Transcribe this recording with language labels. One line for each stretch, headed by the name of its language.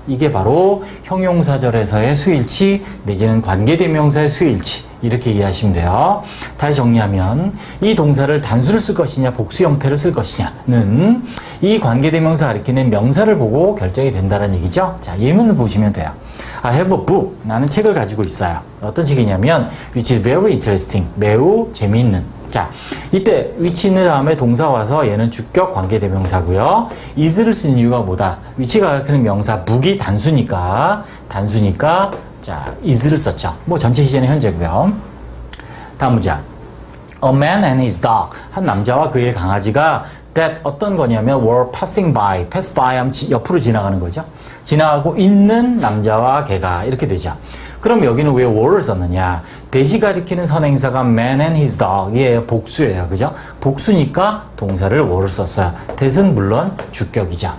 Korean: 이게 바로 형용사절에서의 수일치 내지는 관계대명사의 수일치, 이렇게 이해하시면 돼요. 다시 정리하면 이 동사를 단수를 쓸 것이냐 복수 형태를 쓸 것이냐는 이 관계대명사 가리키는 명사를 보고 결정이 된다는 얘기죠. 자, 예문을 보시면 돼요.
English: I have a book.
Korean: 나는 책을 가지고 있어요. 어떤 책이냐면
English: which is very interesting.
Korean: 매우 재미있는. 자, 이때 which는 다음에 동사 와서 얘는 주격 관계대명사고요. is를 쓴 이유가 뭐다? which가 가리키는 명사 book이 단수니까 자, is를 썼죠. 뭐 전체 시제는 현재고요. 다음 문장.
English: A man and his dog.
Korean: 한 남자와 그의 강아지가 that 어떤 거냐면
English: were passing by. pass by
Korean: 하면 옆으로 지나가는 거죠. 지나가고 있는 남자와 개가 이렇게 되죠. 그럼 여기는 왜 were를 썼느냐. 대시 가리키는 선행사가 man and his dog. 예, 복수예요. 그죠? 복수니까 동사를 were를 썼어요. that은 물론 주격이죠.